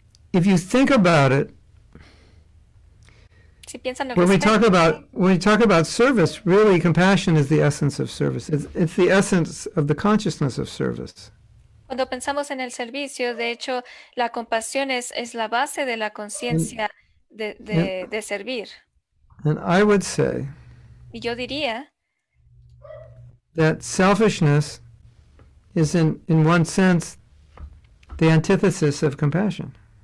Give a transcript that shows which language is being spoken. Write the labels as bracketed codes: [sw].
[en] If you think about it, when we talk about service, really compassion is the essence of service. It's the essence of the consciousness of service. [es] Cuando pensamos en el servicio, de hecho, la compasión es la base de la conciencia de servir. [en] And I would say, [es] y yo diría, [en] that selfishness is in one sense the antithesis of compassion.